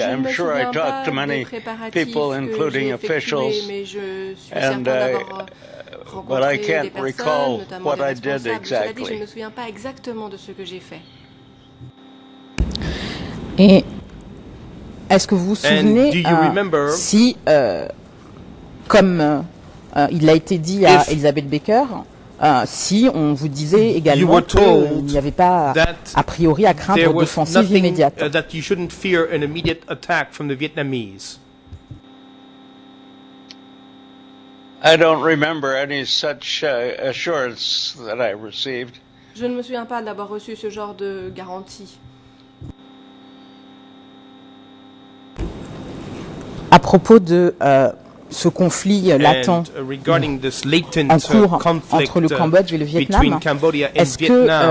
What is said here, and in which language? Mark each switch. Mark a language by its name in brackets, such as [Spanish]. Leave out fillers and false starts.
[English] I'm sure I talked to many people, including officials, and but I can't recall what I did exactly. [French] Je ne me souviens pas exactement de ce que j'ai fait. Et est-ce que vous vous souvenez si, comme il a été dit à Elizabeth Becker, si on vous disait également qu'il n'y avait pas a priori à craindre d'offensive immédiate. [English] That you shouldn't fear an immediate attack from the Vietnamese. I don't remember any such assurance that I received. [French] Je ne me souviens pas d'avoir reçu ce genre de garantie. À propos de ce conflit latent en cours entre le Cambodge et le Vietnam, est-ce que